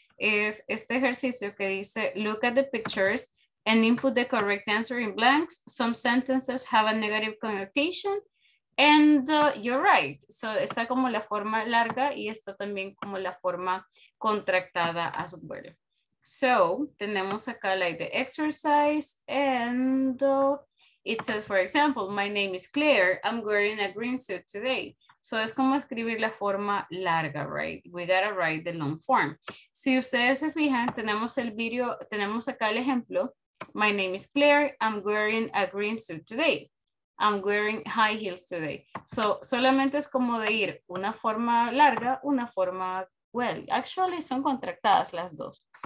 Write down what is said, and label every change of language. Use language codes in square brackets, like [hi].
[es] es este ejercicio que dice [en] look at the pictures and input the correct answer in blanks. Some sentences have a negative connotation. And you're right. [es] So está como la forma larga y está también como la forma contractada [en] as well. So [es] tenemos acá [en] like the exercise and it says, for example, my name is Claire. I'm wearing a green suit today. [es] So es como escribir la forma larga, right? [en] We gotta write the long form. [es] Si ustedes se fijan, tenemos el video, tenemos acá el ejemplo. [en] My name is Claire. I'm wearing a green suit today. I'm wearing high heels today. [es] So solamente es como de ir una forma larga, una forma, well, actually son contractadas las dos.